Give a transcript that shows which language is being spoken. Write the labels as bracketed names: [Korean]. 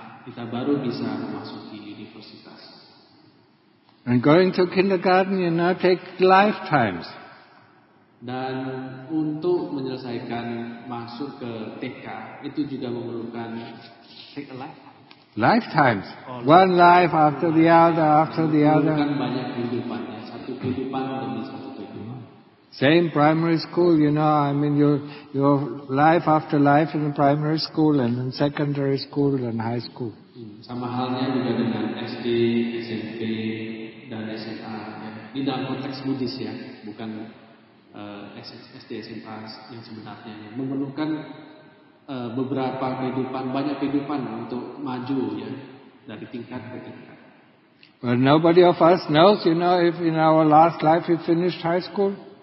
[Indonesian] Kita baru bisa memasuki universitas. [English] And going to kindergarten, you know, take lifetimes. [Indonesian] Dan untuk menyelesaikan masuk ke TK, itu juga memerlukan [English] take a lifetime. Lifetimes. One life after the other, after the other. [Indonesian] Memerlukan banyak kehidupan, ya. Satu kehidupan demi satu kehidupan. [English] Same primary school, you know, I mean, your life after life in primary school and in secondary school and high school. [Indonesian] Sama halnya juga dengan SD, SMP, dan SMA. Ini dalam konteks Buddhis, ya, bukan SD, SMA yang sebenarnya. Memerlukan beberapa kehidupan, banyak kehidupan untuk maju, ya, dari tingkat ke tingkat. [English] Well, nobody of us knows, you know, if in our last life we finished high school.